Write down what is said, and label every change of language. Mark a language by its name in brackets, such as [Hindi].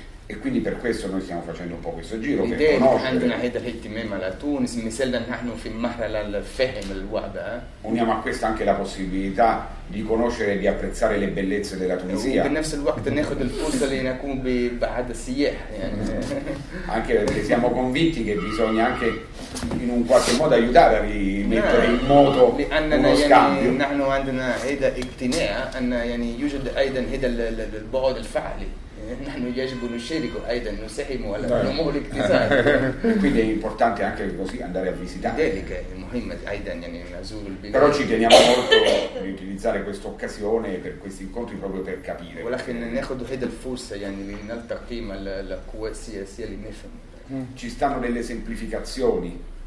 [Italian] E quindi per questo noi stiamo facendo un po' questo giro, uniamo a questo anche la possibilità di conoscere e di apprezzare le bellezze della Tunisia, anche perché siamo convinti che bisogna anche in un qualche modo aiutare a rimettere in moto uno scambio. [Arabic] نحن عندنا هذا اقتناع ان يعني يوجد ايضا هذا البعد الفعلي نحن يجب نشارك ايضا نساهم على الامور الاقتصاديه. [Italian] Quindi è importante anche così andare a visitare. Però ci teniamo molto di utilizzare questa occasione per questi incontri proprio per capire. [Arabic] ولكن ناخذ هذا الفرصه يعني لنلتقي مع القوى السياسيه لنفهم. [Italian] Ci stanno delle semplificazioni